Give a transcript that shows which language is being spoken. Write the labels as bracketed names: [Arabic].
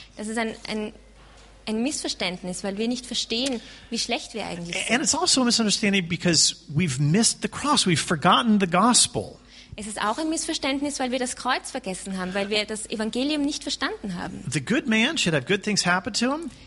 [German] Das ist ein Missverständnis, weil wir nicht verstehen, wie schlecht wir eigentlich sind. [English] And it's also a misunderstanding because we've missed the cross, we've forgotten the gospel. [German] Es ist auch ein Missverständnis, weil wir das Kreuz vergessen haben, weil wir das Evangelium nicht verstanden haben. [English] The good man should have good things happen to him.